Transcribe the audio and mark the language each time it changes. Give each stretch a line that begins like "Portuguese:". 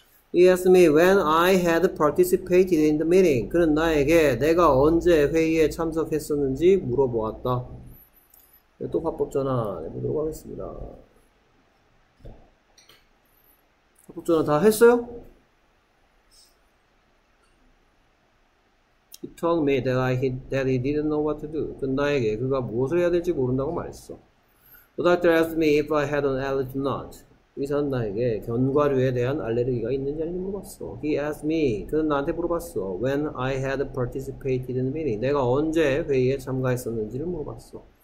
English: He asked me when I had participated in the meeting.
Korean: 그는 나에게 내가 언제 회의에 참석했었는지 물어보았다. 또 화법 전화 해보도록 하겠습니다. 화법 전화 다 했어요?
English: He told me that he didn't know what to do.
Korean: 그는 나에게 그가 무엇을 해야 될지 모른다고 말했어.
English: The doctor asked me if I had an allergy or not.
Korean: 의사는 나에게 견과류에 대한 알레르기가 있는지 아닌지 물어봤어.
English: He asked me.
Korean: 그는 나한테 물어봤어.
English: When I had participated in the meeting.
Korean: 내가 언제 회의에 참가했었는지를 물어봤어.